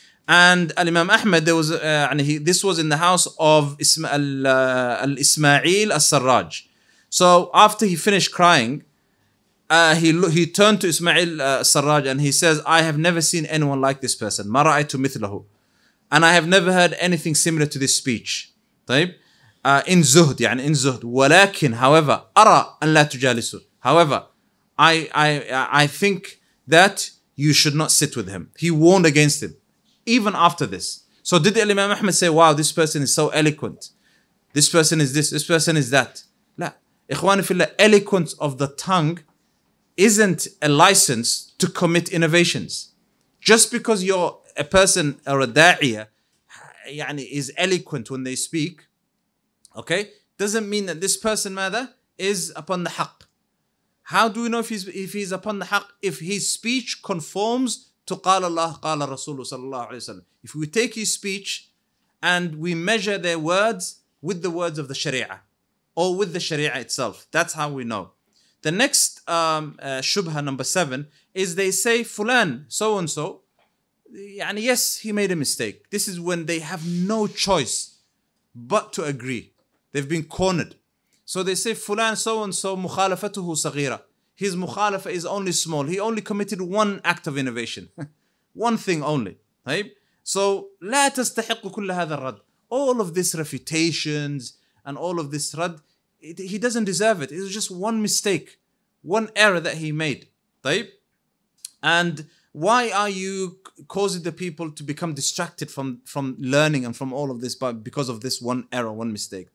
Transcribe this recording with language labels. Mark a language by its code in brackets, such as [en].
[en] And Imam Ahmad, this was in the house of Ismail al-Sarraj. So after he finished crying, he turned to Ismail al-Sarraj and he says, I have never seen anyone like this person. [ar] مَا رَأَيْتُ مِثْلَهُ. [en] And I have never heard anything similar to this speech. [ar] طيب. [en] In zuhd, يعني in zuhd. [ar] ولكن, [en] however, [ar] أرى أن لا تجالسه. [en] However, I think that you should not sit with him. He warned against him. Even after this. So did Imam Ahmad say, wow, this person is so eloquent. This person is this, this person is that. La. Ikhwani fillah, eloquence of the tongue isn't a license to commit innovations. Just because you're a person or a da'iyah يعني is eloquent when they speak, okay, doesn't mean that this person ماذا, is upon the haqq. How do we know if he's upon the haqq? If his speech conforms to [ar] قال الله قال الرسول صلى الله عليه وسلم. [en] If we take his speech and we measure their words with the words of the Sharia or with the Sharia itself, that's how we know. The next shubha, number 7, is they say Fulan so and so, يعني yes, he made a mistake. This is when they have no choice but to agree. They've been cornered. So they say Fulan so-and-so [ar] مخالفته صغيرة. [en] His مخالفه is only small. He only committed one act of innovation. One thing only. طيب. [ar] So لا تستحق كل هذا الرد. [en] All of these refutations and all of this رد, he doesn't deserve it. It's just one mistake, one error that he made. [ar] طيب. [en] And why are you causing the people to become distracted from learning and from all of this but because of this one error, one mistake?